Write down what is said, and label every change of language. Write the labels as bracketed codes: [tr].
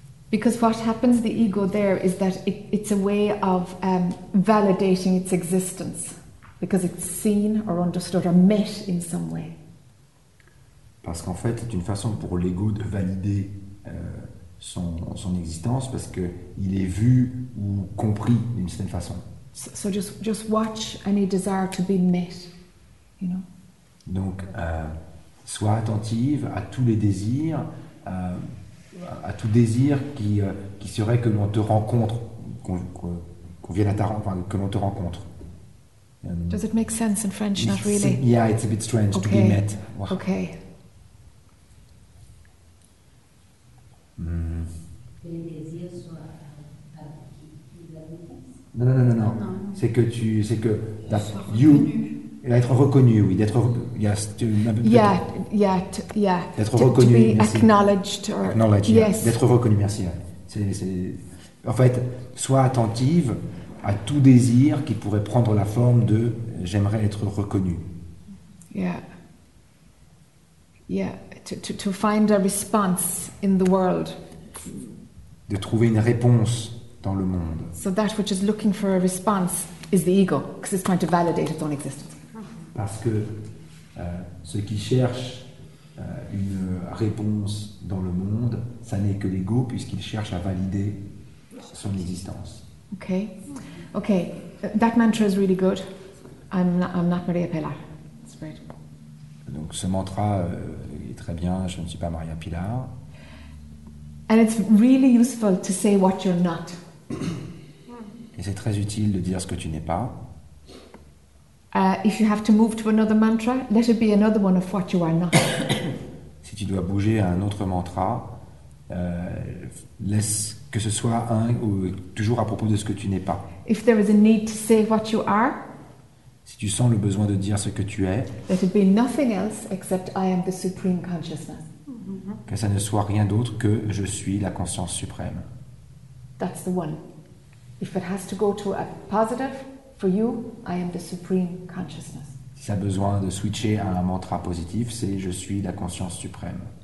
[en] Because what happens the ego there is that it's a way of validating its existence. Because it's seen or understood or met in some way. [fr] Parce qu'en fait, c'est une façon pour l'ego de valider son existence parce que il est vu ou compris d'une certaine façon. [en] So just watch any desire to be met, you know. [fr] Donc, sois attentive à tous les désirs, à tout désir qui serait que l'on te rencontre, qu'on vienne à ta rencontre, que l'on te rencontre. [en] Does it make sense in French? Not really. Yeah, it's a bit strange to be met. Wow. Okay. [fr] No. C'est que [en] that you [fr] être reconnu, oui, d'être [en] yes. Yeah. [fr] D'être reconnu. [en] To be acknowledged or acknowledged. Yes. [fr] D'être reconnu, merci. C'est en fait, sois attentive à tout désir qui pourrait prendre la forme de « j'aimerais être reconnu ». [en] Yeah. Yeah, to find a response in the world. [fr] De trouver une réponse dans le monde. [en] So that which is looking for a response is the ego, because it's trying to validate its own existence. [fr] Parce que ce qui cherche une réponse dans le monde, ça n'est que l'ego, puisqu'il cherche à valider son existence. [en] Okay. Okay, that mantra is really good. I'm not Maria Pilar. It's great. [fr] Donc ce mantra est très bien, je ne suis pas Maria Pilar. [en] And it's really useful to say what you're not. [fr] Et c'est très utile de dire ce que tu n'es pas. [en] If you have to move to another mantra, let it be another one of what you are not. [fr] Si tu dois bouger à un autre mantra, laisse que ce soit un ou toujours à propos de ce que tu n'es pas. [en] If there is a need to say what you are, [fr] si tu sens le besoin de dire ce que tu es, [en] let it be nothing else except I am the supreme consciousness. [fr] Que ça ne soit rien d'autre que je suis la conscience suprême. [en] That's the one. If it has to go to a positive for you, I am the supreme consciousness. [fr] Si ça a besoin de switcher à un mantra positif, c'est je suis la conscience suprême.